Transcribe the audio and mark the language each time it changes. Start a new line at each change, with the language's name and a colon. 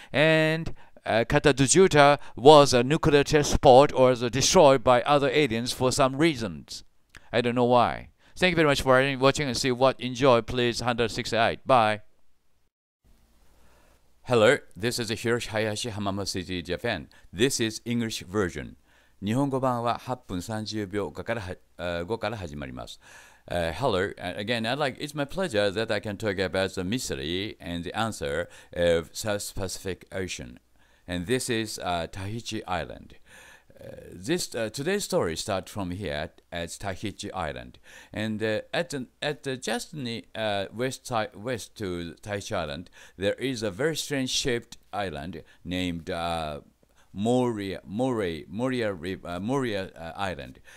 English: And Katadujuta was a nuclear test port or was destroyed by other aliens for some reasons. I don't know why. Thank you very much for watching and see what enjoy, please. 168. Bye. Hello, this is Hiroshi Hayashi, Hamamatsu City, Japan. This is English version.
Japanese: 日本語版は8分30秒から5から始まります。
English: Hello, again, it's my pleasure that I can talk about the mystery and the answer of South Pacific Ocean. And this is Tahiti Island. Today's story starts from here at Tahiti Island. And west to Tahiti Island, there is a very strange shaped island named Moria Island.